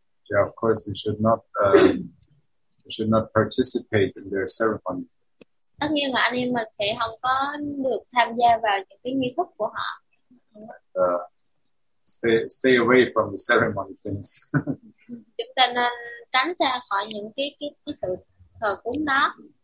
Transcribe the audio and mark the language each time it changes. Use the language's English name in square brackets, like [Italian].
[English] Yeah, of course we should not participate in their ceremony. [Vietnamese] Tất nhiên là anh em mình sẽ không có được tham gia vào những cái nghi thức của họ. [English] Stay away from the ceremony things. [Vietnamese] Chúng ta nên tránh xa khỏi những cái sự thờ cúng đó.